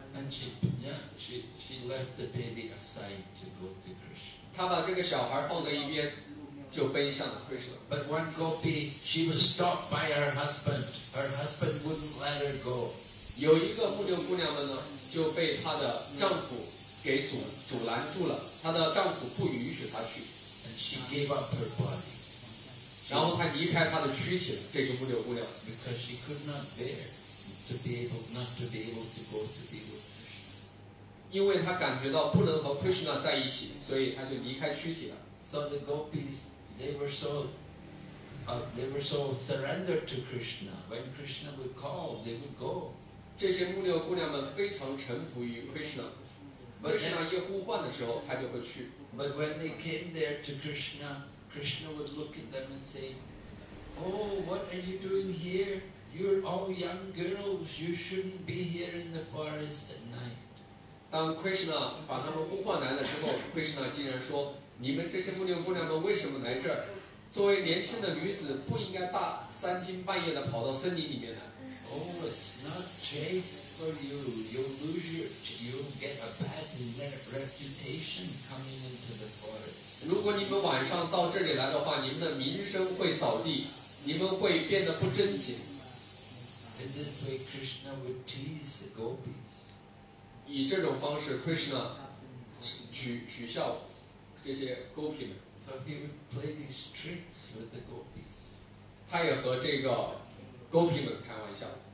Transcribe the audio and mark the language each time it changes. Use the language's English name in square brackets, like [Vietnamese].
[English] And she left the baby aside to go to Krishna. [Chinese] 她把这个小孩放在一边，就奔向了 Krishna. [English] But one gopi, she was stopped by her husband. Her husband wouldn't let her go. [Chinese] 有一个牧牛姑娘们呢，就被她的丈夫给阻拦住了，她的丈夫不允许她去。 [English] And she gave up her body. [Chinese] 然后她离开她的躯体，这个牧牛姑娘。 [English] Because she could not bear to be able not to be able to go to be with Krishna. [Chinese] 因为她感觉到不能和 Krishna 在一起，所以她就离开躯体了。 [English] So the gopis, they were so surrendered to Krishna. When Krishna would call, they would go. [Chinese] 这些牧牛姑娘们非常臣服于 Krishna. Krishna 一呼唤的时候，她就会去。 [English] But when they came there to Krishna. Krishna would look at them and say, Oh, what are you doing here? You're all young girls. You shouldn't be here in the forest at night. [Chinese] 当 Krishna 把他们呼唤来了之后，Krishna 竟然说，你们这些牧牛姑娘们为什么来这儿？作为年轻的女子，不应该大三更半夜的跑到森林里面来。 [English] Oh, it's not chase for you. You'll get a bad reputation coming into the forest. [Chinese] 如果你们晚上到这里来的话，你们的名声会扫地，你们会变得不正经。 [English] In this way, Krishna would tease the gopis. [Chinese] 以这种方式 ，Krishna 取笑这些 gopi 们。 [English] So he would play these tricks with the gopis. [Chinese] 他也和这个。Gopi 们开玩笑。